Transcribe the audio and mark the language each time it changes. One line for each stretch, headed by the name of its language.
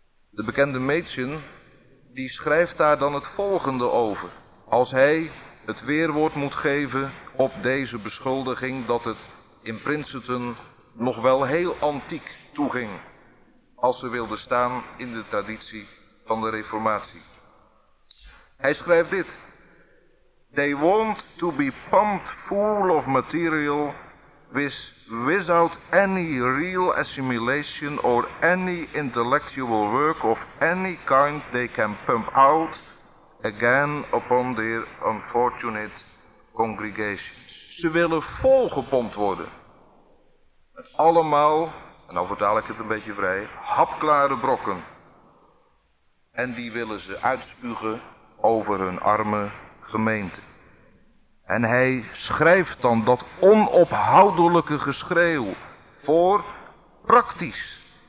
Dutch: De bekende Machen, die schrijft daar dan het volgende over, als hij het weerwoord moet geven op deze beschuldiging dat het in Princeton nog wel heel antiek toeging, als ze wilde staan in de traditie van de reformatie. Hij schrijft dit.
English: They want to be pumped full of material without any real assimilation or any intellectual work of any kind they can pump out again upon their unfortunate congregations.
Dutch: Ze willen volgepompt worden. Met allemaal, en nou vertaal ik het een beetje vrij, hapklare brokken. En die willen ze uitspugen over hun arme gemeente. En hij schrijft dan dat onophoudelijke geschreeuw voor praktisch.